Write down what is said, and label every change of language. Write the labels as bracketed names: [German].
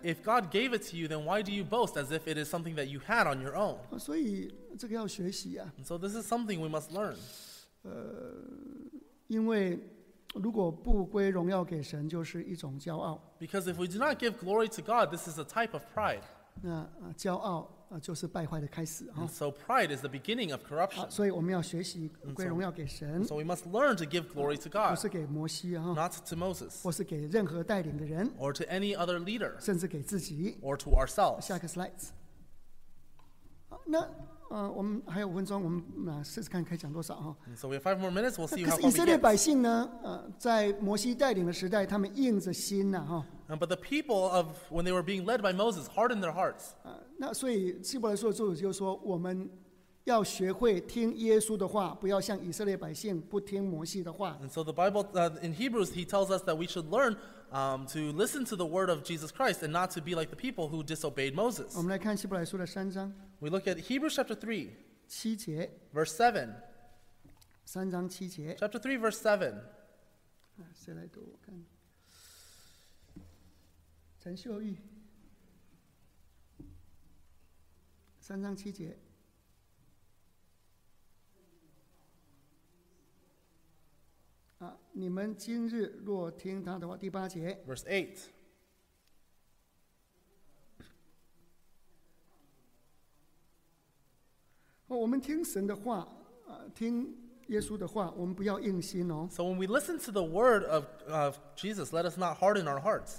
[English] If God gave it to you, then why do you boast as if it is something that you had on your own? [Chinese] 所以这个要学习啊。 [English] And so this is something we must learn. [Chinese] 因为如果不归荣耀给神，就是一种骄傲。 [English] Because if we do not give glory to God, this is a type of pride. [Chinese] 骄傲就是败坏的开始。 [English] So pride is the beginning of corruption. [Chinese] 所以我们要学习归荣耀给神。 [English] So we must learn to give glory to God. [Chinese] 不是给摩西啊。 [English] Not to Moses. [Chinese] 或是给任何带领的人。 [English] Or to any other leader. [Chinese] 甚至给自己。 [English] Or to ourselves. [Chinese] 下一个 slides。那我们还有五分钟，我们试试看可以讲多少哈。 [English] So we have 5 more minutes. We'll see how long. [Chinese] 可是以色列百姓呢？在摩西带领的时代，他们硬着心呐哈。 [English] But the people of when they were being led by Moses hardened their hearts. [Chinese] 那所以希伯来书的作者就说，我们要学会听耶稣的话，不要像以色列百姓不听摩西的话。 [English] And so the Bible in Hebrews he tells us that we should learn to listen to the word of Jesus Christ and not to be like the people who disobeyed Moses. [Chinese] 我们来看希伯来书的三章。 [English] We look at Hebrews chapter 3, [Chinese] 七节 [English] verse 7. [Chinese] 三章七节 [English] chapter 3, verse 7. [Chinese] 谁来读？我看。陈秀玉，三章七节。你们今日若听他的话，第八节 [English] ，verse 8。 [Chinese] 我们听神的话，听耶稣的话，我们不要硬心哦。 [English] So when we listen to the word of Jesus, let us not harden our hearts.